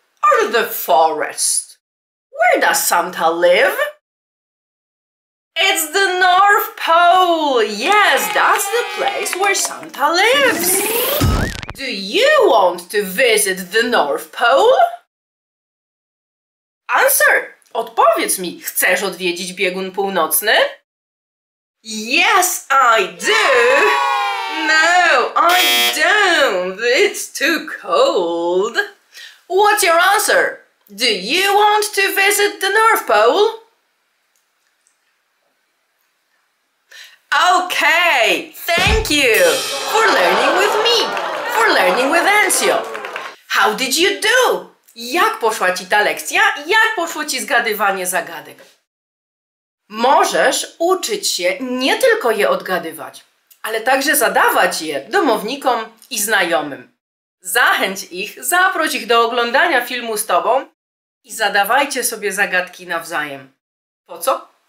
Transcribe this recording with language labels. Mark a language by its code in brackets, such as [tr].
[en] Or the forest? Where does Santa live? It's the North Pole! Yes, that's the place where Santa lives! Do you want to visit the North Pole? Answer! [pl] Odpowiedz mi, chcesz odwiedzić biegun północny? [en] Yes, I do! No, I don't! It's too cold! What's your answer? Do you want to visit the North Pole? Okay, thank you for learning with me, for learning with ENCJO. How did you do? [pl] Jak poszła ci ta lekcja? Jak poszło ci zgadywanie zagadek? Możesz uczyć się nie tylko je odgadywać, ale także zadawać je domownikom i znajomym. Zachęć ich, zaproś ich do oglądania filmu z tobą i zadawajcie sobie zagadki nawzajem. Po co?